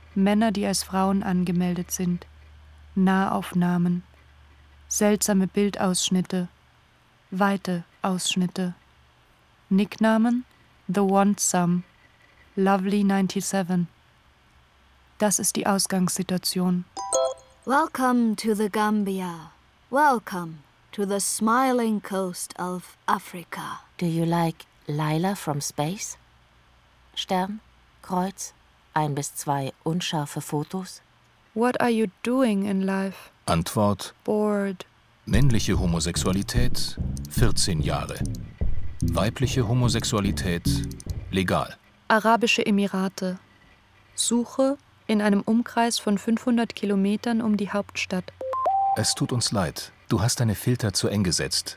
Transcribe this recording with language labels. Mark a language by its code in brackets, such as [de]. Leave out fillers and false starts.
[de] Männer, die als Frauen angemeldet sind. Nahaufnahmen. Seltsame Bildausschnitte. Weite Ausschnitte. Nicknamen: The Wantsome. Lovely 97. Das ist die Ausgangssituation. [en] Welcome to the Gambia. Welcome to the smiling coast of Africa. Do you like Lila from space? [de] Stern, Kreuz, 1 bis 2 unscharfe Fotos. [en] What are you doing in life? [de] Antwort: [en] Bored. [de] Männliche Homosexualität, 14 Jahre. Weibliche Homosexualität, legal. Arabische Emirate. Suche in einem Umkreis von 500 Kilometern um die Hauptstadt. Es tut uns leid, du hast deine Filter zu eng gesetzt.